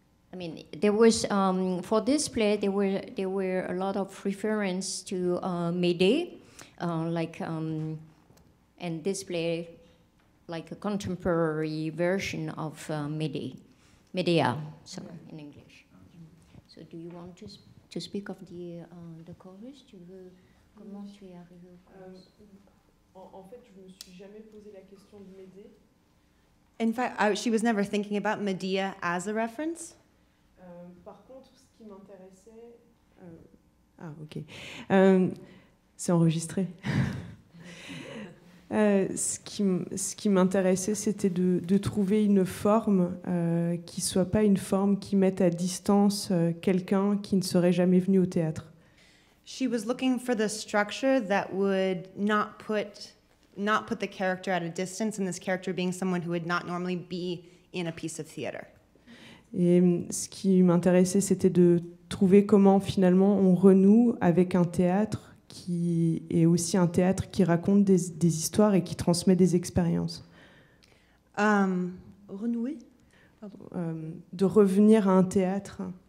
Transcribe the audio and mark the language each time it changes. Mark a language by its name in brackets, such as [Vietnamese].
[English] I mean, there was for this play there were a lot of reference to Médée, and this play, like a contemporary version of Médée, sorry, in English. So, do you want to speak of the chorus? [French] Tu veux comment tu es arrivé au chorus? En fait, je me suis jamais posé la question de Médée. [English] In fact, she was never thinking about Médée as a reference. [French] Par contre, ce qui m'intéressait... C'est enregistré. ce qui m'intéressait, c'était de trouver une forme qui ne soit pas une forme qui mette à distance quelqu'un qui ne serait jamais venu au théâtre. [English] She was looking for the structure that would not put the character at a distance, and this character being someone who would not normally be in a piece of theater. [French] Et ce qui m'intéressait, c'était de trouver comment finalement on renoue avec un théâtre qui est aussi un théâtre qui raconte des histoires et qui transmet des expériences. Renouer. Pardon. De revenir à un théâtre.